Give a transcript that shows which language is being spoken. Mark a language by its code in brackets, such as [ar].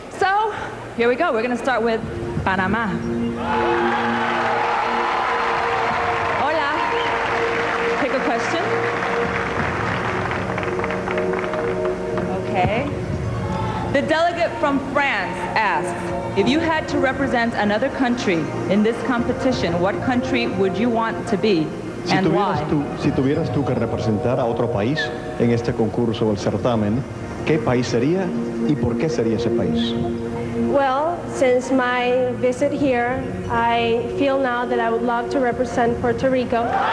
[en] So, here we go. We're gonna start with Panama. Hola. Take a question. Okay. The delegate from France asks, if you had to represent another country in this competition, what country would you want to be and [es] si tuvieras [en] why? [es] Tú, si tuvieras tú que representar a otro país en este concurso o el certamen, ¿qué país sería y por qué sería ese país? [en] Well, since my visit here, I feel now that I would love to represent Puerto Rico.